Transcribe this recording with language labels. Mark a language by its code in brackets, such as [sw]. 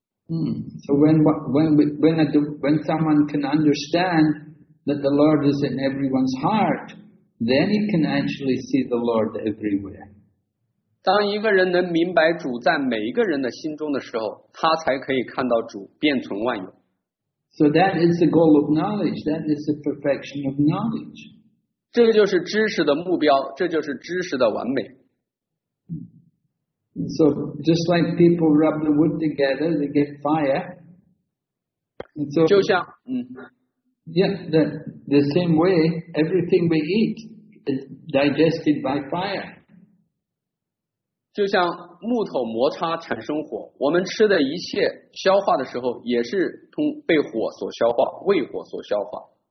[en] So when someone can understand that the Lord is in everyone's heart, then he can actually see the Lord everywhere. [zh] 当一个人能明白主在每一个人的心中的时候，他才可以看到主遍存万有。 [en] So that is the goal of knowledge. That is the perfection of knowledge. [zh] 这就是知识的目标，这就是知识的完美。 [en] So just like people rub the wood together, they get fire. [zh] So, 就像 [en] the same way, everything we eat is digested by fire. [zh] 就像木头摩擦产生火，我们吃的一切消化的时候也是被火所消化，胃火所消化。